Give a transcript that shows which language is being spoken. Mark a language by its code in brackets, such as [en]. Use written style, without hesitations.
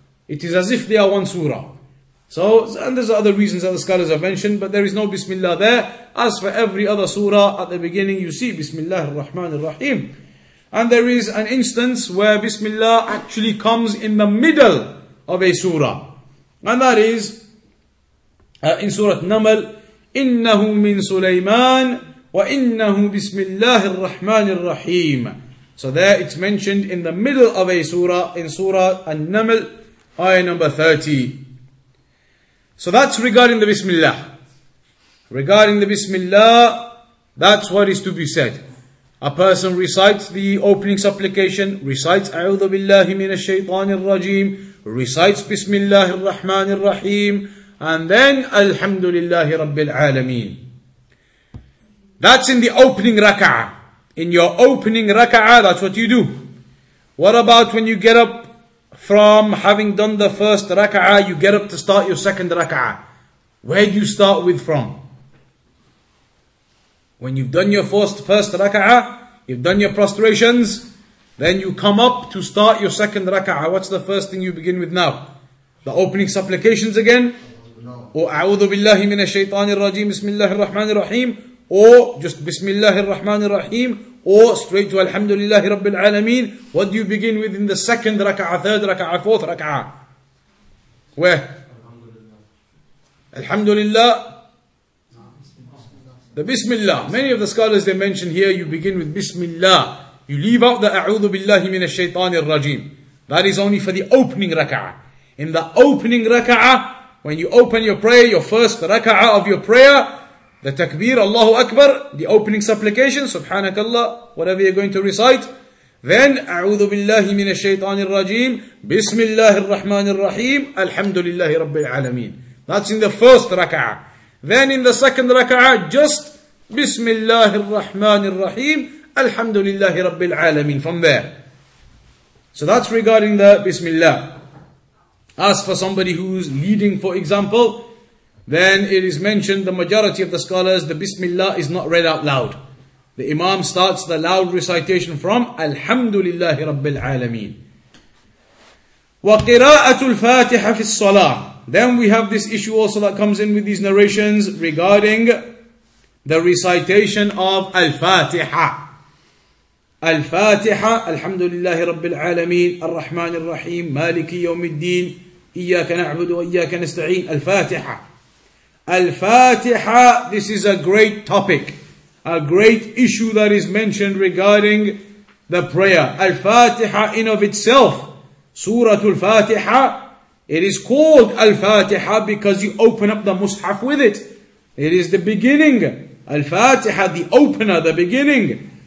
[en] It is as if they are one surah. So, and there's other reasons that the scholars have mentioned, but there is no Bismillah there. As for every other surah, at the beginning you see Bismillah ar-Rahman ar-Rahim. And there is an instance where Bismillah actually comes in the middle of a surah. And that is in Surah Naml, [ar] إِنَّهُ مِن سُلَيْمَانِ وَإِنَّهُ بِسْمِ اللَّهِ الرَّحْمَنِ الرَّحِيمِ. [en] So there it's mentioned in the middle of a surah, in Surah An-Naml, ayah number 30. So that's regarding the Bismillah. Regarding the Bismillah, that's what is to be said. A person recites the opening supplication, recites [ar] أَعُوذُ بِاللَّهِ مِنَ الشَّيْطَانِ الرَّجِيمِ, [en] recites [ar] بِسْمِ اللَّهِ الرَّحْمَنِ الرَّحِيمِ, [en] and then Alhamdulillahi Rabbil Alameen. That's in the opening raka'ah. In your opening raka'ah, that's what you do. What about when you get up from having done the first raka'ah, you get up to start your second raka'ah? Where do you start with from? When you've done your first raka'ah, you've done your prostrations, then you come up to start your second raka'ah. What's the first thing you begin with now? The opening supplications again? [ar] أعوذ بالله من الشيطان الرجيم بسم الله الرحمن الرحيم [en] or just [ar] بسم الله الرحمن الرحيم [en] or straight to [ar] الحمد لله رب العالمين. [en] What do you begin with in the second ركعة, third ركعة, fourth ركعة? Where? [ar] الحمد لله. [en] The [ar] بسم الله. [en] Many of the scholars they mention here, you begin with بسم الله. You leave out the [ar] أعوذ بالله من الشيطان الرجيم. [en] That is only for the opening ركعة. In the opening ركعة, when you open your prayer, your first raka'ah of your prayer, the takbir, Allahu Akbar, the opening supplication, subhanakallah, whatever you're going to recite, then, [ar] أعوذ بالله من الشيطان الرجيم, بسم الله الرحمن الرحيم, الحمد لله رب العالمين. [en] That's in the first raka'ah. Then in the second raka'ah, just, [ar] بسم الله الرحمن الرحيم, الحمد لله رب العالمين, [en] from there. So that's regarding the بسم الله. As for somebody who's leading, for example, then it is mentioned, the majority of the scholars, the Bismillah is not read out loud. The Imam starts the loud recitation from Alhamdulillahi Rabbil Alameen. [ar] وَقِرَاءَةُ الْفَاتِحَ فِي الصَّلَاةِ. [en] Then we have this issue also that comes in with these narrations regarding the recitation of Al-Fatiha. [ar] الفاتحة الحمد لله رب العالمين الرحمن الرحيم مالك يوم الدين إياك نعبد وإياك نستعين الفاتحة الفاتحة. [en] This is a great topic, a great issue that is mentioned regarding the prayer. الفاتحة in of itself, سورة الفاتحة, it is called الفاتحة because you open up the مصحف with it. It is the beginning. الفاتحة, the opener, the beginning.